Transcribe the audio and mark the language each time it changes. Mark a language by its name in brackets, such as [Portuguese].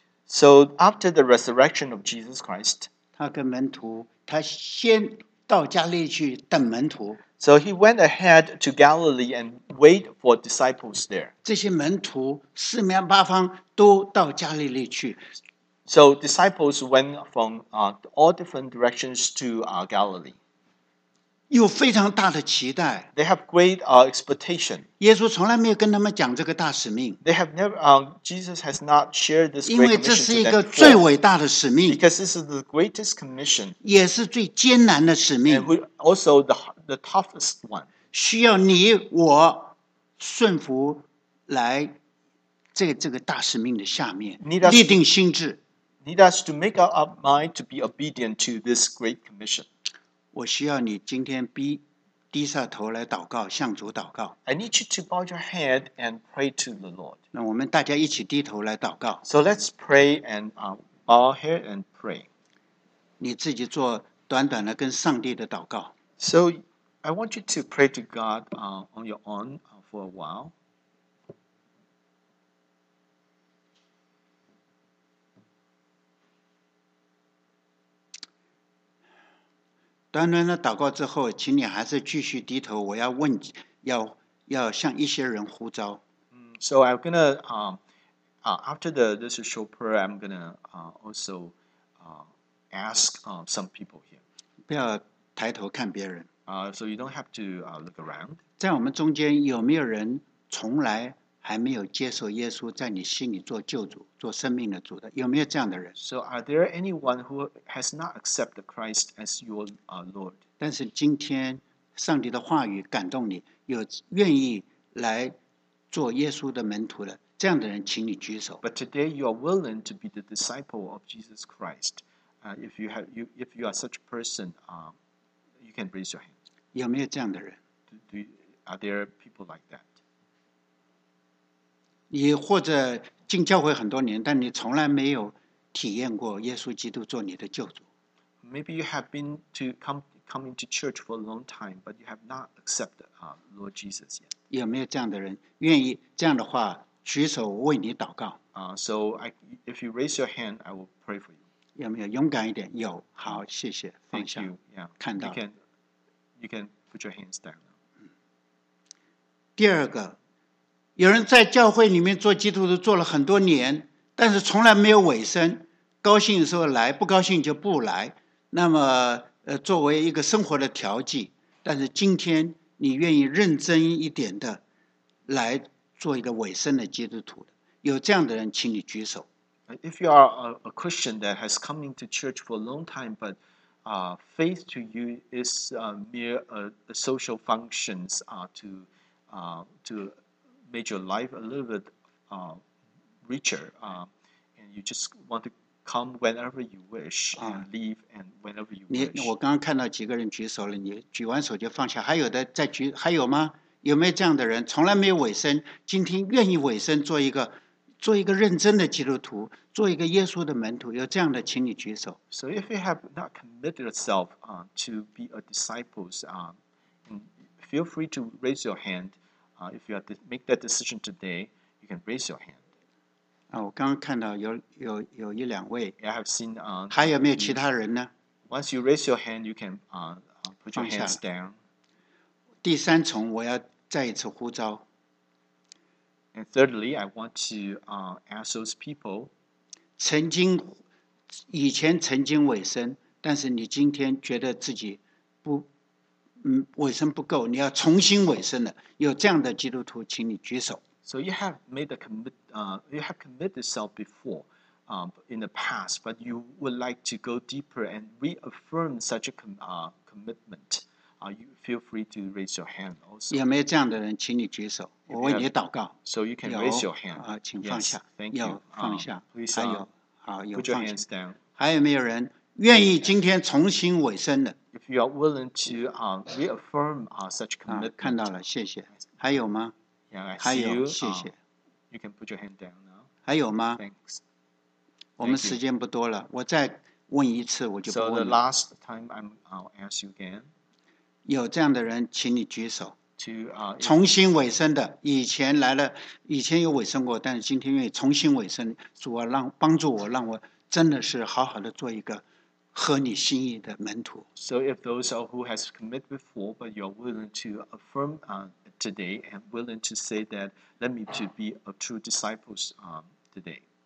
[English] so after the resurrection of Jesus Christ, [Chinese] 他跟门徒, 他先到加利利去等门徒, [English] so he went ahead to Galilee and wait for disciples there. [Chinese] 这些门徒四面八方都到加利利去, [English] so disciples went from all different directions to Galilee. [Chinese] 有非常大的期待。 [English] They have great expectation. [Chinese] 耶稣从来没有跟他们讲这个大使命。 [English] They have never, Jesus has not shared this great [Chinese] 因为这是一个最伟大的使命。 [English] Because this is the greatest commission. [Chinese] 也是最艰难的使命。 [English] And also the toughest one. [Chinese] 需要你我顺服来这个大使命的下面。立定心志。 [English] Need us to make up mind to be obedient to this great commission. [Chinese] 我需要你今天低下头来祷告，向主祷告。 [English] I need you to bow your head and pray to the Lord. [Chinese] 那我们大家一起低头来祷告。 [English] So let's pray and bow head and pray. [Chinese] 你自己做短短的跟上帝的祷告。 [English] So I want you to pray to God on your own for a while. [Chinese] 短短的祷告之后，请你还是继续低头。我要问，要向一些人呼召。 [English] So I'm gonna after this short prayer, I'm gonna also ask some people here. [Chinese] 不要抬头看别人。 [English] So you don't have to look around. [Chinese] 在我们中间有没有人从来还没有接受耶稣在你心里做救主、做生命的主的？有没有这样的人 [English] ？So are there anyone who has not accepted Christ as your Lord？ [Chinese] 但是今天上帝的话语感动你，有愿意来做耶稣的门徒的这样的人，请你举手。 [English] But today you are willing to be the disciple of Jesus Christ. If you are such a person, you can raise your hand. [Chinese] 有没有这样的人 [English] are there people like that？ [Chinese] 你或者进教会很多年，但你从来没有体验过耶稣基督做你的救主。 [English] Maybe you have been to coming to church for a long time, but you have not accepted Lord Jesus yet. [Chinese] 有没有这样的人愿意这样的话举手为你祷告？ [English] So if you raise your hand, I will pray for you. [Chinese] 有没有勇敢一点？有，好，谢谢，放下。 [English] Thank you. Yeah. [Chinese] 看到。 [English] You can put your hands down. [Chinese] 第二个。有人在教会里面做基督徒做了很多年，但是从来没有委身，高兴的时候来，不高兴就不来。那么，作为一个生活的调剂，但是今天你愿意认真一点的来做一个委身的基督徒，有这样的人，请你举手。 [English] If you are a Christian that has come into church for a long time, but faith to you is mere social functions to made your life a little bit richer, and you just want to come whenever you wish and leave and whenever you wish. [Chinese] 我刚刚看到几个人举手了，你举完手就放下，还有的再举，还有吗？有没有这样的人？从来没有委身，今天愿意委身做一个认真的基督徒，做一个耶稣的门徒，有这样的，请你举手。 [English] So if you have not committed yourself to be a disciple, feel free to raise your hand. If you make that decision today, you can raise your hand. [Chinese] 我刚刚看到有一两位。 [English] I have seen. [Chinese] 还有没有其他人呢？ [English] Once you raise your hand, you can put your hands down. [Chinese] 第三重，我要再一次呼召。 [English] And thirdly, I want to ask those people. [Chinese] 曾经，以前曾经委身，但是你今天觉得自己不。委身不够，你要重新委身了。有这样的基督徒，请你举手。 [English] So you have made a commit, you have committed yourself before, in the past, but you would like to go deeper and reaffirm such a commitment. You feel free to raise your hand. Also, [Chinese] 有没有这样的人，请你举手，我为你祷告。 [English] So you can raise your hand. [Chinese] 请放下。 [English] Thank you. [Chinese] 放下。 [English] Please, [Chinese] 还有， [English] put your hands down. [Chinese] 还有没有人？愿意今天重新委身的 [English] If you are willing to reaffirm such commitment, [Chinese] 看到了，谢谢。还有吗？ [English] Yeah, [Chinese] 还有，谢谢。 [English] You can put your hand down now. [Chinese] 还有吗？ [English] Thanks. [Chinese] 我们时间不多了，我再问一次，我就不问了。 [English] So the last time I'll ask you again. [Chinese] 有这样的人，请你举手。 [English] To [Chinese] 重新委身的，以前来了，以前有委身过，但是今天愿意重新委身，主啊，帮助我，让我真的是好好的做一个。合你心意的门徒。 [English] So if those are who has committed before, but you are willing to affirm today and willing to say that, let me to be a true disciples today.